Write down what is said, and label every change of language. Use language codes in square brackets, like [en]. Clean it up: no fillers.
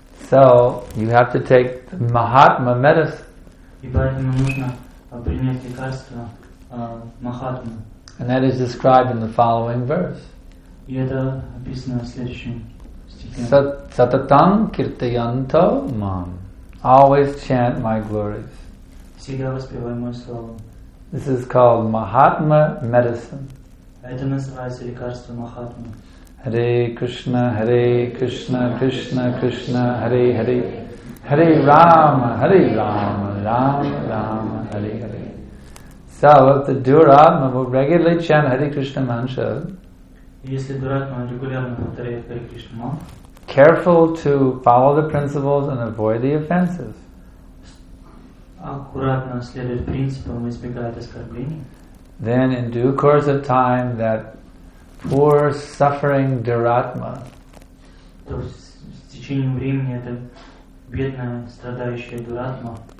[en] So you have to take the Mahatma medicine. [ru] И поэтому нужно принять лекарство Mahatma. [en] And that is described in the following verse. [ru] И это описано в следующем стихе. [sa] Сататан киртаянто мам. [en] Always chant my glories. [ru] Всегда воспевай мое слово. [en] This is called Mahatma medicine. [ru] Это называется лекарство Mahatma. [sa] Hare Krishna, Hare Krishna, Krishna Krishna, Hare Hare. Hare Rama, Hare Rama, Rama Rama, Hare Hare. [en] So if the Duratma will regularly chant Hare Krishna mantra, [ru] если Дуратма регулярно повторяет Хари Кришна, [en] careful to follow the principles and avoid the offenses. [ru] Аккуратно следует принципам и избегает оскорблений. [en] Then in due course of time that poor suffering Дуратма, [ru] то есть с течением времени это бедная страдающая Дуратма,